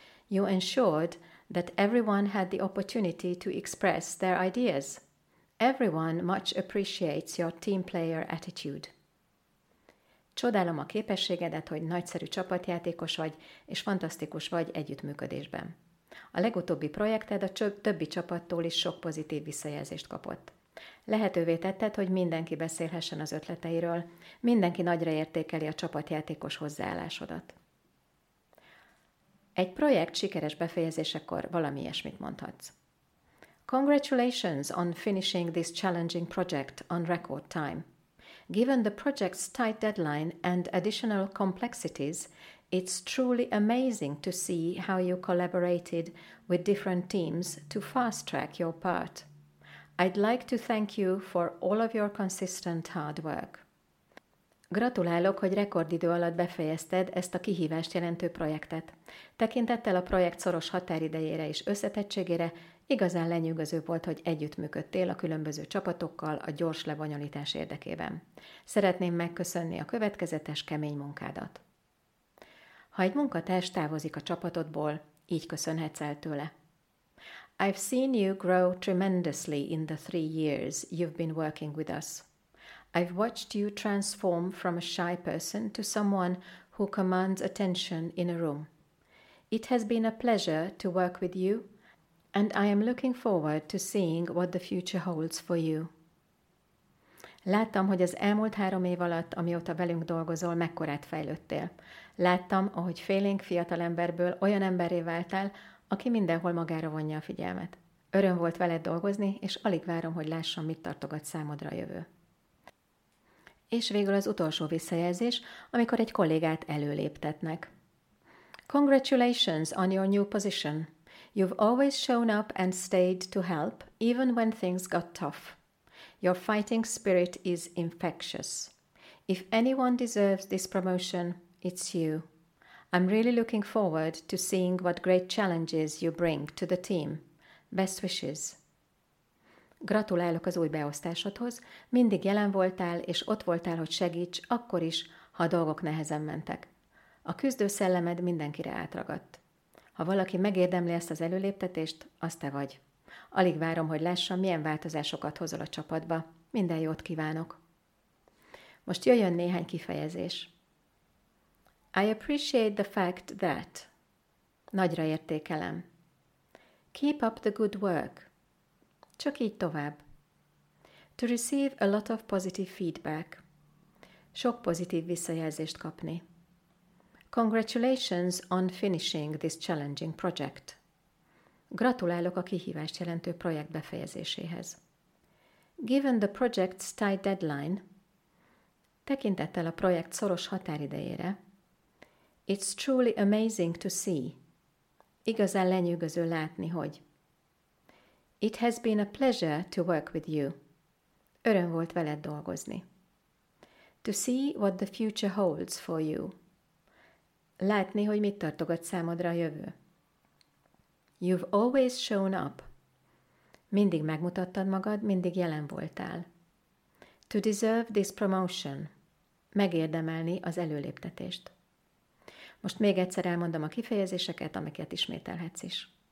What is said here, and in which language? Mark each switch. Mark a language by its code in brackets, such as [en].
[en] You ensured that everyone had the opportunity to express their ideas. Everyone much appreciates your team player attitude. [hu] Csodálom a képességedet, hogy nagyszerű csapatjátékos vagy, és fantasztikus vagy együttműködésben. A legutóbbi projekted a többi csapattól is sok pozitív visszajelzést kapott. Lehetővé tetted, hogy mindenki beszélhessen az ötleteiről, mindenki nagyra értékeli a csapatjátékos hozzáállásodat. Egy projekt sikeres befejezésekor valami ilyesmit mondhatsz. [en] Congratulations on finishing this challenging project on record time. Given the project's tight deadline and additional complexities, it's truly amazing to see how you collaborated with different teams to fast-track your part. I'd like to thank you for all of your consistent hard work. [hu] Gratulálok, hogy rekordidő alatt befejezted ezt a kihívást jelentő projektet. Tekintettel a projekt szoros határidejére és összetettségére, igazán lenyűgöző volt, hogy együttműködtél a különböző csapatokkal a gyors lebonyolítás érdekében. Szeretném megköszönni a következetes, kemény munkádat. Ha egy munkatárs távozik a csapatodból, így köszönhetsz el tőle. [en] I've seen you grow tremendously in the 3 years you've been working with us. I've watched you transform from a shy person to someone who commands attention in a room. It has been a pleasure to work with you, and I am looking forward to seeing what the future holds for you. [hu] Láttam, hogy az elmúlt 3 év alatt, amióta velünk dolgozol, mekkorát fejlődtél. Láttam, ahogy félénk fiatal emberből olyan emberré váltál, aki mindenhol magára vonja a figyelmet. Öröm volt veled dolgozni, és alig várom, hogy lássam, mit tartogat számodra a jövő. És végül az utolsó visszajelzés, amikor egy kollégát előléptetnek. [en] Congratulations on your new position. You've always shown up and stayed to help, even when things got tough. Your fighting spirit is infectious. If anyone deserves this promotion, it's you. I'm really looking forward to seeing what great challenges you bring to the team. Best wishes. [hu] Gratulálok az új beosztásodhoz. Mindig jelen voltál, és ott voltál, hogy segíts, akkor is, ha a dolgok nehezen mentek. A küzdő szellemed mindenkire átragadt. Ha valaki megérdemli ezt az előléptetést, az te vagy. Alig várom, hogy lássam, milyen változásokat hozol a csapatba. Minden jót kívánok! Most jöjjön néhány kifejezés. [en] I appreciate the fact that. [hu] Nagyra értékelem. [en] Keep up the good work. [hu] Csak így tovább. [en] To receive a lot of positive feedback. [hu] Sok pozitív visszajelzést kapni. [en] Congratulations on finishing this challenging project. [hu] Gratulálok a kihívást jelentő projekt befejezéséhez. [en] Given the project's tight deadline, [hu] tekintettel a projekt szoros határidejére, [en] It's truly amazing to see. [hu] Igazán lenyűgöző látni, hogy. [en] It has been a pleasure to work with you. [hu] Öröm volt veled dolgozni. [en] To see what the future holds for you. [hu] Látni, hogy mit tartogat számodra a jövő. [en] You've always shown up. [hu] Mindig megmutattad magad, mindig jelen voltál. [en] To deserve this promotion. [hu] Megérdemelni az előléptetést. Most még egyszer elmondom a kifejezéseket, amiket ismételhetsz is.